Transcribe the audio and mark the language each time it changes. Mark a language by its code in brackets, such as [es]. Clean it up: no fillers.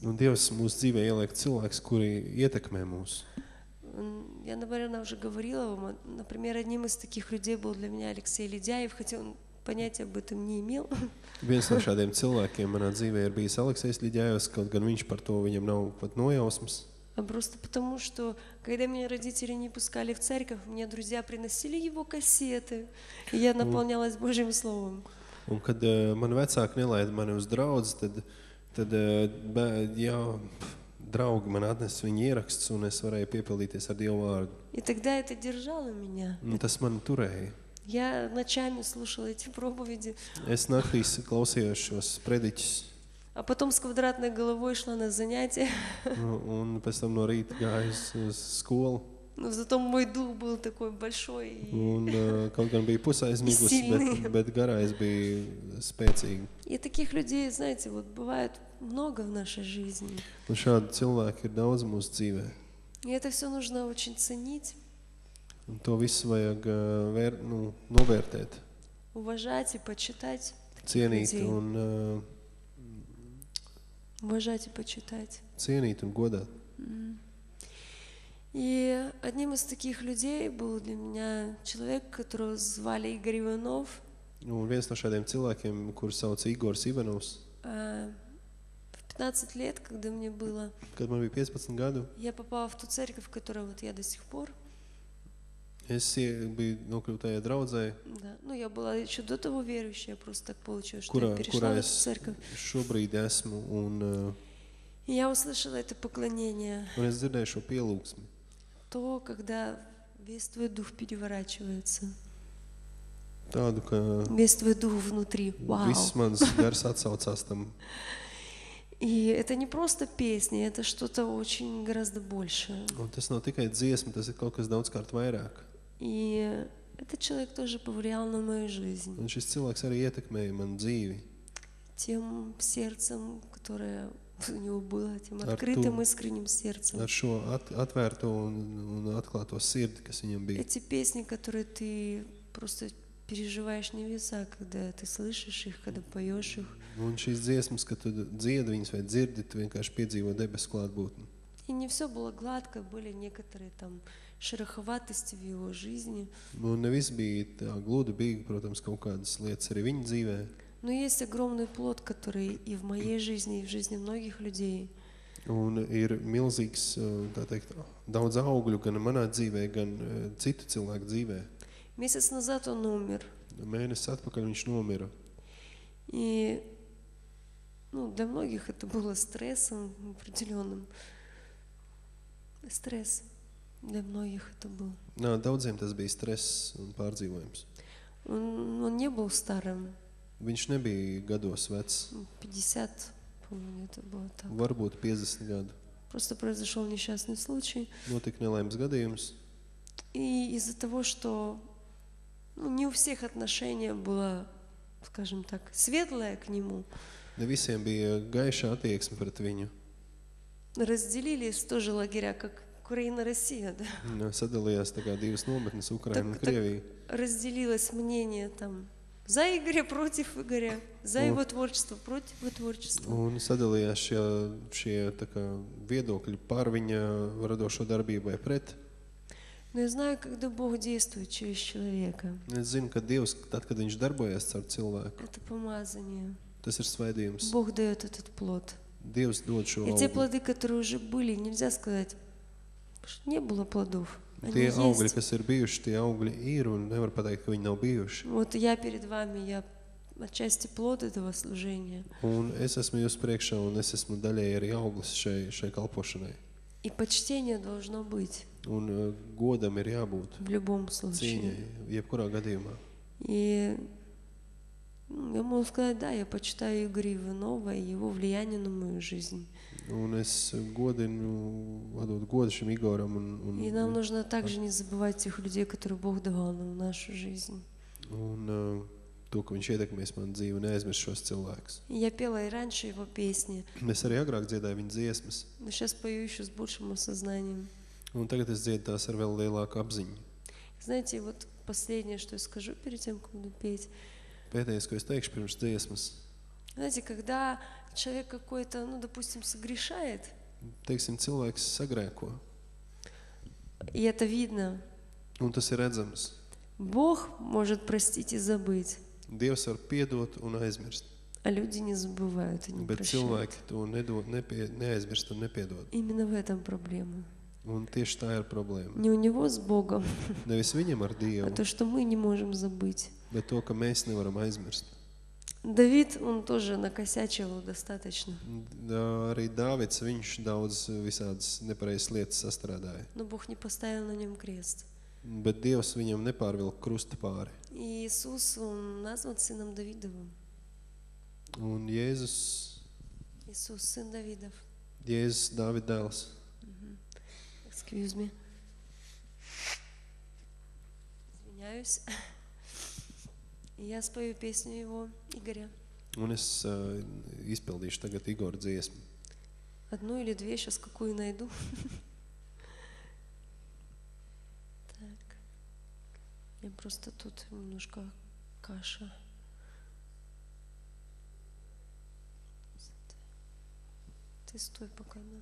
[lv] Un Dievs mūsu dzīvē ieliek cilvēks, kuri ietekmē mūs. [ru] Я, наверное, уже говорила вам, например, одним из таких людей был для меня Алексей Ледяев, хотя он понятия об этом не имел. [lv] Viens no šādiem cilvēkiem manā dzīvē ir bijis Aleksejs Ļidjajevs, kaut gan viņš par to viņam nav pat nojausmas. [ru] Просто потому, что когда меня родители не пускали в церковь, мне друзья приносили его кассеты, и я наполнялась Божьим словом. [lv] Un kad mani vecāki nelaida mani uz draudzi, tad draugi man atnes viņu ieraksts, un es varēju piepildīties ar Dievu vārdu. [ru] И тогда это держало меня. [lv] Un tas mani turēja. [ru] Я ночами слушала эти проповеди. [lv] Es naktīs klausījos šos prediķus. [ru] А потом с квадратной головой шла на занятия. [lv] Un pēc tam no rīta gājas uz skolu. [ru] Но зато мой дух был такой большой и [lv] Un, kaut gan bija pusaizmigus, bet garā es biju spēcīgi. [ru] И таких людей, знаете, вот бывает много в нашей жизни. [lv] Un šādi cilvēki ir daudz mūsu dzīvē. [ru] И это все нужно очень ценить. [lv] Un to visu vajag novērtēt. [ru] Уважать и почитать. [lv] Cienīt un [ru] уважать и почитать. Ценит и годит. И одним из таких людей был для меня человек, которого звали Игорь Иванов. [lv] Un viens no šādiem cilvēkiem, kurus sauc Igors Ivanovs. [ru] 15 лет, когда мне было. [lv] Kad man bija 15 gadu. [ru] Я попал в ту церковь, в которой вот я до сих пор. [lv] Es biju nokļūtajā draudzē. [ru] Да. Ну я была ещё до того верующая, просто так получилось, что я перешла в церковь. [lv] Šobrīd esmu un [ru] я услышала это поклонение. [lv] Un es dzirdēju šo pielūgsmi. [ru] То, когда весь твой дух переворачивается. [lv] Tādu, ka [ru] весь твой дух внутри. Вау. [lv] Viss mans gars atsaucās tam. [ru] И это не просто песня, это что-то очень гораздо большее. [lv] Un tas nav tikai dziesma, tas ir kaut kas daudzkārt vairāk. [ru] И этот человек тоже повлиял на мою жизнь. [lv] Un šis cilvēks arī ietekmēja man dzīvi. [ru] Тем сердцем, которое у него было, тем открытым, искренним сердцем. [lv] Ar šo atvērto un atklāto sirdi, kas viņam bija. [ru] Эти песни, которые ты просто переживаешь невеса, когда ты слышишь их, когда поёшь их. [lv] Un šīs dziesmas, kad tu dziedi viņas vai dzirdi, tu vienkārši piedzīvo debesu klātbūtni. [ru] И не всё было гладко, были некоторые там шероховатости в его жизни. [lv] Un ne viss bija tā gluda, bija, protams, kaut kādas lietas arī viņa dzīvē. [ru] Но есть огромный плод, который и в моей жизни, и в жизни многих людей. [lv] Un ir milzīgs, tā teikt, daudz augļu gan manā dzīvē, gan citu cilvēku dzīvē. [ru] Месяц назад он умер. [lv] Mēnesis atpakaļ viņš nomira. [ru] И, ну, для многих это было стрессом определённым. Стресс для многих это был. [lv] Nā, daudziem tas bija stress un pārdzīvojums. [ru] Un он не был старым. [lv] Viņš nebija gados vecs. [ru] 50, по-моему, это было так. [lv] Varbūt 50 gadu. [ru] Просто произошёл несчастный случай. [lv] Notika nelaimes gadījums. [ru] И из-за того, что ну, не у всех отношения было, скажем так, светлое к нему. [lv] Не visiem bija gaiša attieksme pret viņu. [ru] Разделились тоже лагеря, как Украина, Россия, да? [lv] Ну, sadalījās tagad divas nometnes, Ukraina un Krievija. [ru] Разделилось мнение там за Игоря, против Игоря, за его творчество, против его творчества. [lv] Un sadalījās šie tā kā viedokļi par viņa radošo darbību vai pret. [ru] Но я знаю, когда Бог действует через человека. [lv] Es zinu, kad Dievs, tad, kad viņš darbojas caur cilvēku. [ru] Это помазание. [lv] Tas ir svaidījums. [ru] Бог даёт этот плод. [lv] Dievs dod šo augļu. [ru] И те плоды, которые уже были, нельзя сказать, что не было плодов. [lv] Tie augļi, kas ir bijuši, tie augļi ir, un nevar pateikt, ka viņi nav bijuši. [ru] Вот я перед вами, я отчасти плод этого служения. [lv] Un es esmu jūs priekšā, un es esmu daļēji arī auglis šai kalpošanai. [ru] И почтение должно быть. [lv] Un godam ir jābūt. [ru] В любом случае. [lv] Cīņai, jebkurā gadījumā. [ru] И я могу сказать, да, я почитаю Игоря Иванова и его влияние на мою жизнь. [lv] Un es godinu, atdot godu šim Igoram. Un, [ru] и нам нужно также не забывать тех людей, которые Бог давал нам в нашу жизнь. [lv] Un to, ka viņš ietekmēs manu dzīvi, neaizmirst šos cilvēkus. [ru] Я пела и раньше его песни. [lv] Es arī agrāk dziedāju viņa dziesmas. [ru] Но сейчас пою еще с большим осознанием. [lv] Un tagad es dziedu tās ar vēl lielāku apziņu. [ru] Знаете, вот последнее, что я скажу перед тем, как буду петь. [lv] Pēdējais, ko es teikšu pirms dziesmas. [ru] Знаете, когда человек какой-то, ну, допустим, согрешает. [lv] Teiksim, cilvēks sagrēko. [ru] И это видно. [lv] Un tas ir redzams. [ru] Бог может простить и забыть. [lv] Dievs var piedot un aizmirst. [ru] А люди не забывают и не прощают. [lv] Bet cilvēki to neaizmirst un nepiedot. [ru] Именно в этом проблема. [lv] Un tieši tā ir problēma. [ru] Не у него с Богом. [lv] Nevis viņam ar Dievu. [ru] А то, что мы не можем забыть. [lv] Bet to, ka mēs nevaram aizmirst. [ru] Давид, он тоже накосячил достаточно. [lv] Да, arī Dāvids, viņš daudz visādas nepareizas lietas sastrādāja. [ru] Но Бог не поставил на нём крест. [lv] Bet Dievs viņam nepārvilk krusta pāri. [ru] Иисус, он назван сыном Давидовым. [lv] Un Jēzus. [ru] Иисус, сын Давидов. [lv] Jēzus, Dāvida dēls. [en] Excuse me. [ru] Извиняюсь. Я спою песню его, Игоря. [lv] Un es izpildīšu tagad Igora dziesmu. [ru] Одну или две сейчас какую найду. Так. Я просто тут немножко каша. Ты стой пока.